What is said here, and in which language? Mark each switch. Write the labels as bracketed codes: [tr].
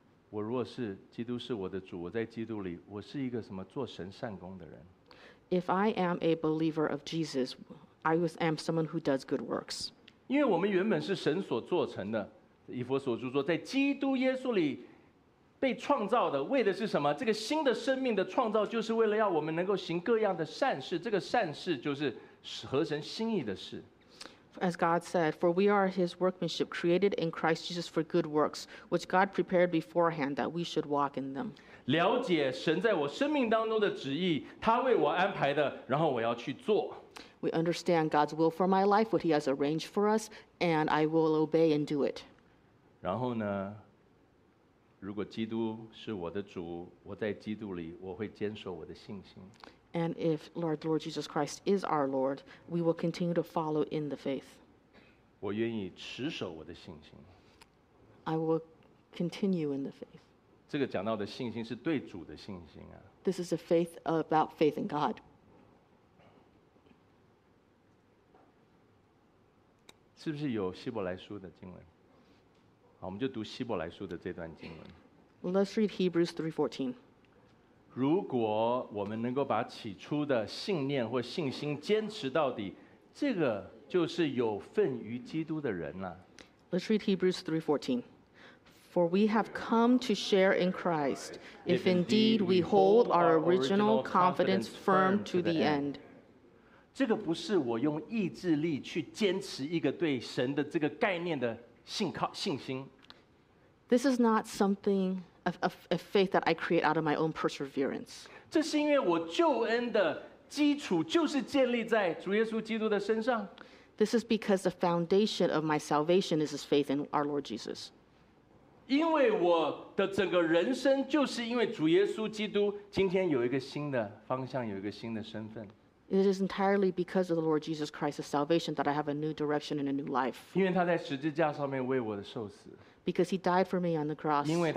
[zh] 我若是基督是我的主，我在基督里，我是一个什么做神善工的人。 [en] If I am a believer of Jesus, I am someone who does good works. [zh] 因为我们原本是神所做成的，以弗所书说，在基督耶稣里被创造的，为的是什么？这个新的生命的创造，就是为了要我们能够行各样的善事。这个善事就是合神心意的事。 [en] As God said, for we are His workmanship, created in Christ Jesus for good works, which God prepared beforehand that we should walk in them. [zh] 了解神在我生命当中的旨意，他为我安排的，然后我要去做。 [en] We understand God's will for my life, what He has arranged for us, and I will obey and do it. [zh] 然后呢，如果基督是我的主，我在基督里，我会坚守我的信心。 [en] And if Lord Jesus Christ is our Lord, we will continue to follow in the faith. [zh] 我愿意持守我的信心。 [en] I will continue in the faith. [zh] 这个讲到的信心是对主的信心啊。 [en] This is a faith about faith in God. [zh] 是不是有希伯来书的经文？好，我们就读希伯来书的这段经文。 [en] Let's read Hebrews 3:14. [zh] 如果我们能够把起初的信念或信心坚持到底，这个就是有份于基督的人了。 [en] Let's read Hebrews 3:14. For we have come to share in Christ, if indeed we hold our original confidence firm to the end. [zh] 这个不是我用意志力去坚持一个对神的这个概念的信心。 [en] This is not something. A faith that I create out of my own perseverance. [zh] 这是因为我救恩的基础就是建立在主耶稣基督的身上。 [en] This is because the foundation of my salvation is this faith in our Lord Jesus. [zh] 因为我的整个人生就是因为主耶稣基督，今天有一个新的方向，有一个新的身份。 [en] It is entirely because of the Lord Jesus Christ's salvation that I have a new direction and a new life. Because he died for me on the cross.